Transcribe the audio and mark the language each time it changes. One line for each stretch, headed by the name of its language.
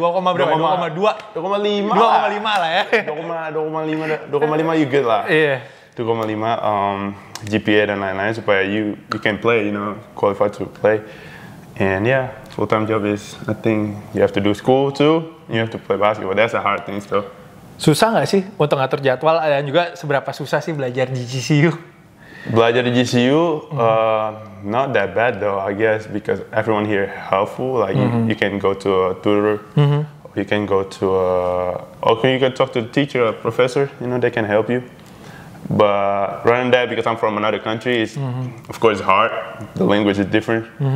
English: 2,5 lah. 2,5 lah ya. 2,5, 2,5 you good lah.
Indonesian: Iya.
English: 2,5 GPA
Indonesian: dan lain-lain supaya
English: you can play, you know, qualify to play. And yeah, full time job is I think you have to do school too. You have to play basketball. That's a hard thing still.
Indonesian: Susah nggak sih untuk ngatur jadwal dan juga seberapa susah sih belajar di GCU? Belajar di GCU,
English: not that bad though, I guess, because everyone here helpful. Like you can go to a tutor, you can go to a, or you can talk to the teacher, a professor. You know, they can help you. But running that, because I'm from another country, it's of course hard. The language is different.